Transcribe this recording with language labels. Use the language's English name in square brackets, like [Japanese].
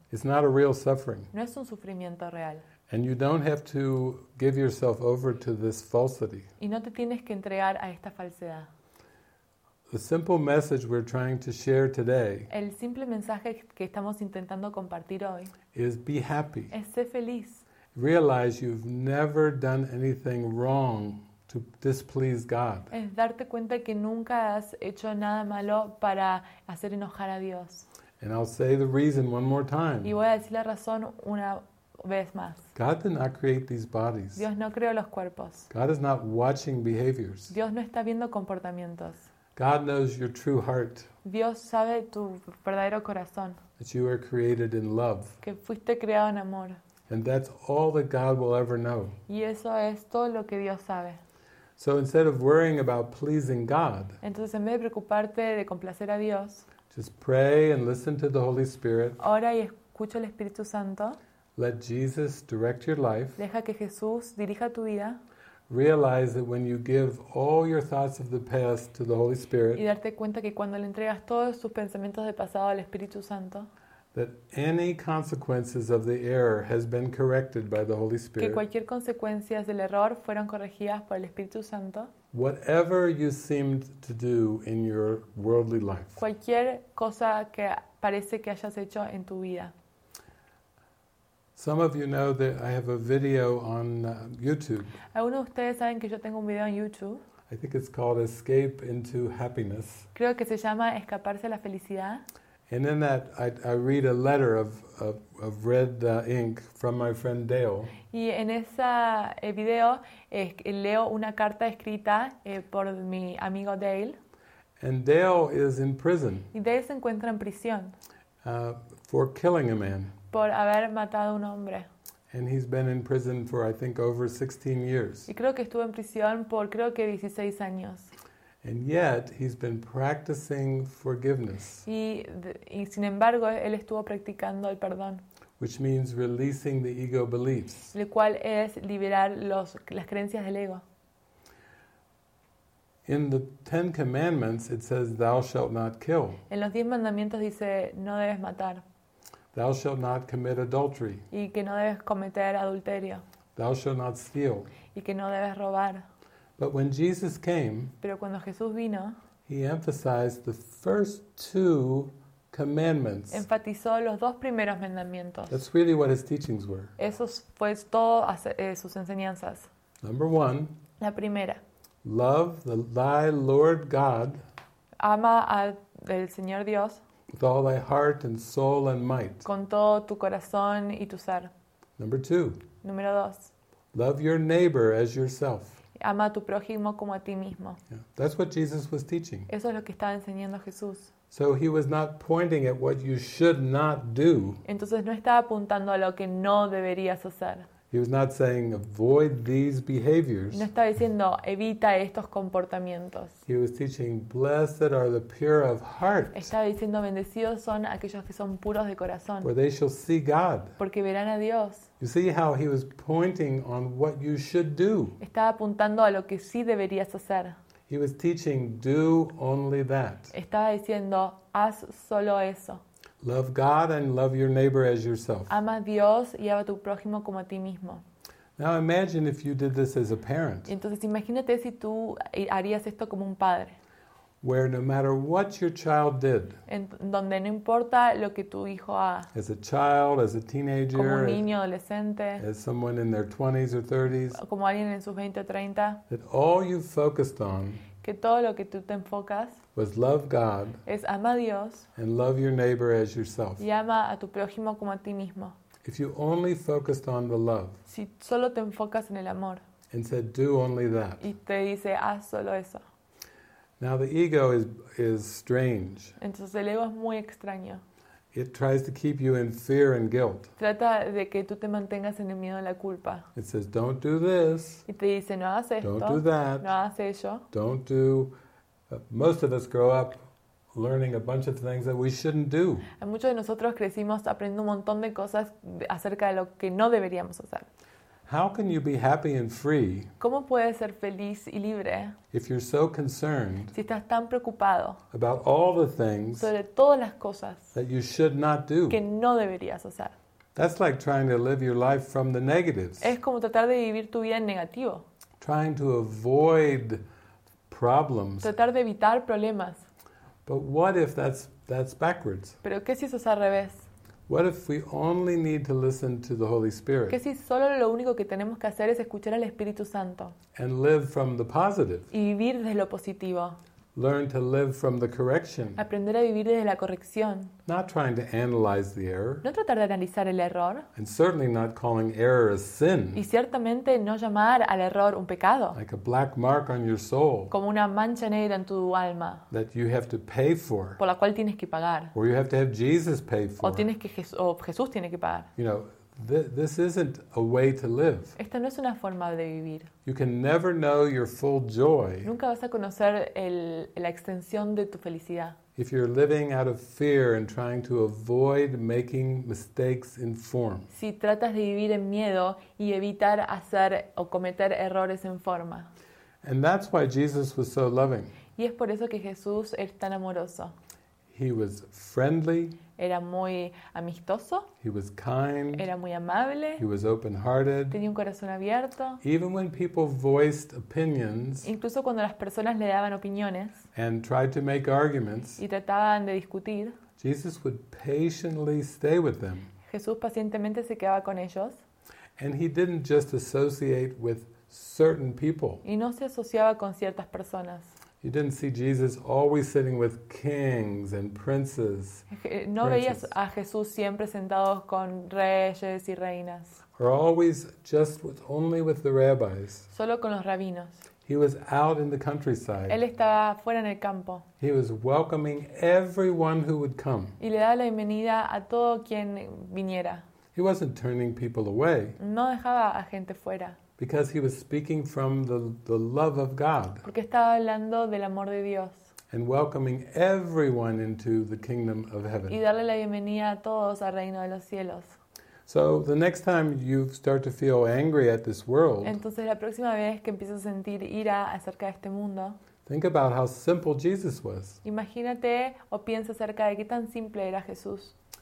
[English] It's not a real suffering. [Spanish] No es un sufrimiento real. [English] And you don't have to give yourself over to this falsity. [Spanish] Y no te tienes que entregar a esta falsedad. [English] The simple message we're trying to share today, [Spanish] el simple mensaje que estamos intentando compartir hoy, [English] is be happy. [Spanish] Es ser feliz. [English] Realize you've never done anything wrong to displease God. [Spanish] Es darte cuenta que nunca has hecho nada malo para hacer enojar a Dios. [English] And I'll say the reason one more time. [Spanish] Y voy a decir la razón una vez más. [English] God did not create these bodies. [Spanish] Dios no creó los cuerpos. [English] God is not watching behaviors. [Spanish] Dios no está viendo comportamientos. [English] God knows your true heart. [Spanish] Dios sabe tu verdadero corazón. [English] That you were created in love. [Spanish] Que fuiste creado en amor. [English] And that's all that God will ever know. [Spanish] Y eso es todo lo que Dios sabe. [English] So instead of worrying about pleasing God, [Spanish] entonces, en vez de preocuparte de complacer a Dios, [English] just pray and listen to the Holy Spirit. [Spanish] Ora y escucha al Espíritu Santo. [English] Let Jesus direct your life. [Spanish] Deja que Jesús dirija tu vida. [English] Realize that when you give all your thoughts of the past to the Holy Spirit, [Spanish] y darte cuenta que cuando le entregas todos tus pensamientos de pasado al Espíritu Santo, [English] that any consequences of the error has been corrected by the Holy Spirit. [Spanish] Que cualquier consecuencia del error fueron corregidas por el Espíritu Santo. [English] Whatever you seemed to do in your worldly life. [Spanish] Cualquier cosa que parece que hayas hecho en tu vida. [English] Some of you know that I have a video on YouTube. [Spanish] Algunos de ustedes saben que yo tengo un video en YouTube. [English] I think it's called escape into happiness. [Spanish] Creo que se llama escaparse a la felicidad. [English] And in that, I read a letter of red ink from my friend Dale. [Spanish] Y en esa video leo una carta escrita por mi amigo Dale. [English] And Dale is in prison. [Spanish] Y Dale se encuentra en prisión. [English] For killing a man. [Spanish] Por haber matado a un hombre. [English] And he's been in prison for, I think, over 16 years. [Spanish] Y creo que estuvo en prisión por creo que 16 años. [English] And yet, he's been practicing forgiveness. [Spanish] Y sin embargo, él estuvo practicando el perdón. [English] Which means releasing the ego beliefs. [Spanish] Lo cual es liberar las creencias del ego. [English] In the Ten Commandments, it says, "Thou shalt not kill." [Spanish] En los 10 mandamientos dice, no debes matar. [English] Thou shalt not commit adultery. [Spanish] Y que no debes cometer adulterio. [English] Thou shalt not steal. [Spanish] Y que no debes robar. [English] But when Jesus came, [Spanish] pero cuando Jesús vino, [English] he emphasized the first two commandments. [Spanish] Enfatizó los dos primeros mandamientos. [English] That's really what his teachings were. [Spanish] Eso fue todo sus enseñanzas. [English] Number one. [Spanish] La primera. [English] Love thy Lord God. [Spanish] Ama al Señor Dios. [English] With all thy heart and soul and might. [Spanish] Con todo tu corazón y tu ser. [English] Number two. [Spanish] Número dos. [English] Love your neighbor as yourself. [Spanish] Ama a tu prójimo como a ti mismo. [English] Yeah. That's what Jesus was teaching. [Spanish] Eso es lo que estaba enseñando Jesús. [English] So he was not pointing at what you should not do. [Spanish] Entonces no estaba apuntando a lo que no deberías hacer. [English] He was not saying avoid these behaviors. [Spanish] No estaba diciendo evita estos comportamientos. [English] He was teaching blessed are the pure of heart. [Spanish] Estaba diciendo bendecidos son aquellos que son puros de corazón. [English] For they shall see God. [Spanish] Porque verán a Dios. [English] You see how he was pointing on what you should do. [Spanish] Estaba apuntando a lo que sí deberías hacer. [English] He was teaching do only that. [Spanish] Estaba diciendo haz solo eso. [English] Love God and love your neighbor as yourself. [Spanish] Ama a Dios y ama a tu prójimo como a ti mismo. [English] Now imagine if you did this as a parent. [Spanish] Entonces imagínate si tú harías esto como un padre. [English] Where no matter what your child did. [Spanish] Donde no importa lo que tu hijo haga. [English] As a child, as a teenager. [Spanish] Como un niño, adolescente. [English] As someone in their 20s or 30s. [Spanish] Como alguien en sus 20 o 30. [English] That all you focused on. [Spanish] Que todo lo que tú te enfocas [English] was love God [Spanish] es ama a Dios [English] and love your neighbor as yourself. [Spanish] Y ama a tu prójimo como a ti mismo. [English] If you only focused on the love, [Spanish] si solo te enfocas en el amor [English] and said, do only that. [Spanish] Y te dice haz solo eso. [English] Now the ego is strange. [Spanish] Entonces el ego es muy extraño. [English] It tries to keep you in fear and guilt. [Spanish] Trata de que tú te mantengas en el miedo a la culpa. [English] It says, don't do this. [Spanish] Y te dice, no hagas esto. [English] Don't do that. [Spanish] No hagas eso. [English] Don't do... Most of us grow up learning a bunch of things that we shouldn't do. [Spanish] Muchos de nosotros crecimos aprendiendo un montón de cosas acerca de lo que no deberíamos hacer. [English] How can you be happy and free? [Spanish] ¿Cómo puedes ser feliz y libre? [English] If you're so concerned. [Spanish] Si estás tan preocupado. [English] About all the things. [Spanish] Sobre todas las cosas. [English] That you should not do. [Spanish] Que no deberías hacer. [English] That's like trying to live your life from the negatives. [Spanish] Es como tratar de vivir tu vida en negativo. [English] Trying to avoid problems. [Spanish] Tratar de evitar problemas. [English] But what if that's backwards? [Spanish] Pero ¿qué si eso es al revés? [English] What if we only need to listen to the Holy Spirit? [Spanish] ¿Qué si solo lo único que tenemos que hacer es escuchar al Espíritu Santo? [English] And live from the positive. [Spanish] Y vivir desde lo positivo. [English] Learn to live from the correction. [Spanish] Aprender a vivir desde la corrección. [English] Not trying to analyze the error. [Spanish] No tratar de analizar el error. [English] And certainly not calling error a sin. [Spanish] Y ciertamente no llamar al error un pecado. [English] Like a black mark on your soul. [Spanish] Como una mancha negra en tu alma. [English] That you have to pay for. [Spanish] Por la cual tienes que pagar. [English] Or you have to have Jesus pay for. [Spanish] O Jesús tiene que pagar. [English] You know, this isn't a way to live. [Spanish] Esta no es una forma de vivir. [English] You can never know your full joy. [Spanish] Nunca vas a conocer la extensión de tu felicidad. [English] If you're living out of fear and trying to avoid making mistakes in form. [Spanish] Si tratas de vivir en miedo y evitar hacer o cometer errores en forma. [English] And that's why Jesus was so loving. [Spanish] Y es por eso que Jesús es tan amoroso. [English] He was friendly. [Spanish] Era muy amistoso. [English] He was kind. [Spanish] Era muy amable. [English] He was open-hearted. [Spanish] Tenía un corazón abierto. [English] Even when people voiced opinions. [Spanish] Incluso cuando las personas le daban opiniones. [English] And tried to make arguments. [Spanish] Y trataban de discutir. [English] Jesus would patiently stay with them. [Spanish] Jesús pacientemente se quedaba con ellos. [English] And he didn't just associate with certain people. [Spanish] Y no se asociaba con ciertas personas. [English] You didn't see Jesus always sitting with kings and princes. [Spanish] No veías a Jesús siempre sentado con reyes y reinas. [English] Or always just with only with the rabbis. [Spanish] Solo con los rabinos. [English] He was out in the countryside. [Spanish] Él estaba fuera en el campo. [English] He was welcoming everyone who would come. [Spanish] Y le daba la bienvenida a todo quien viniera. [English] He wasn't turning people away. [Spanish] No dejaba a gente fuera. [English] Because he was speaking from the love of God. [Spanish] Porque estaba hablando del amor de Dios. [English] And welcoming everyone into the kingdom of heaven. [Spanish] Y darle la bienvenida a todos al reino de los cielos. [English] So the next time you start to feel angry at this world. [Spanish] Entonces la próxima vez que empiezas a sentir ira acerca de este mundo. [English] Think about how simple Jesus was. [Spanish] Imagínate o piensa acerca de qué tan simple era Jesús.